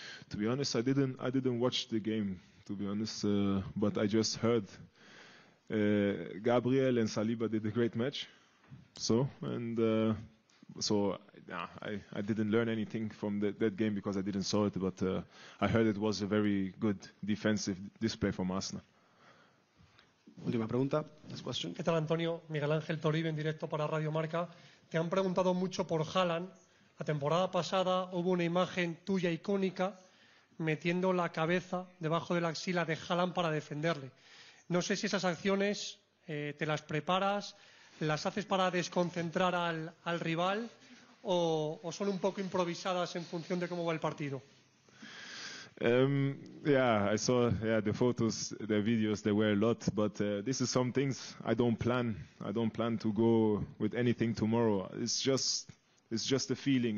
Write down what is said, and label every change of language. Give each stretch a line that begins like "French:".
English: To be honest, I didn't watch the game, to be honest, but I just heard Gabriel and Saliba did a great match. I didn't learn anything from that game because I didn't saw it, but I heard it was a very good defensive display from Arsenal.
Spanish: Última pregunta,
English: last question.
Spanish: ¿Qué tal, Antonio? Miguel Ángel Toribio en directo para Radio Marca. Te han preguntado mucho por Haaland. La temporada pasada hubo una imagen tuya icónica metiendo la cabeza debajo de la axila de Haaland para defenderle. No sé si esas acciones te las preparas, las haces para desconcentrar al rival o son un poco improvisadas en función de cómo va el partido?
English: I saw the photos, the videos, there were a lot, but this is some things I don't plan. I don't plan to go with anything tomorrow. It's just a feeling.